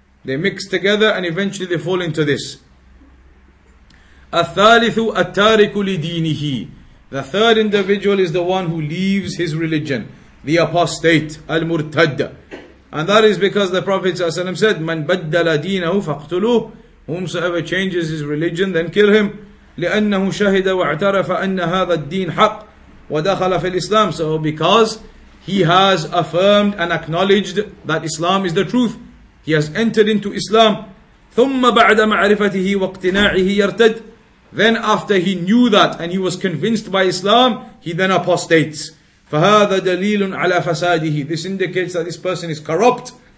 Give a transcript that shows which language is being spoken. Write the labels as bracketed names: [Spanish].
[English] They mix together and eventually they fall into this. [Arabic] الثالث التارك لدينه, [English] the third individual is the one who leaves his religion, the apostate, المرتد. And that is because the Prophet ﷺ said, [Arabic] من بدل دينه فاقتلوه, [English] whomsoever changes his religion, then kill him. [Arabic] لأنه شهد واعترف أن هذا الدين حق ودخل في الإسلام. [English] So because he has affirmed and acknowledged that Islam is the truth, he has entered into Islam. [Arabic] ثم بعد معرفته واقتناعه يرتد, [English] then after he knew that and he was convinced by Islam, he then apostates. [Arabic] فَهَذَا دَلِيلٌ عَلَى فَسَادِهِ, [English] this indicates that this person is corrupt.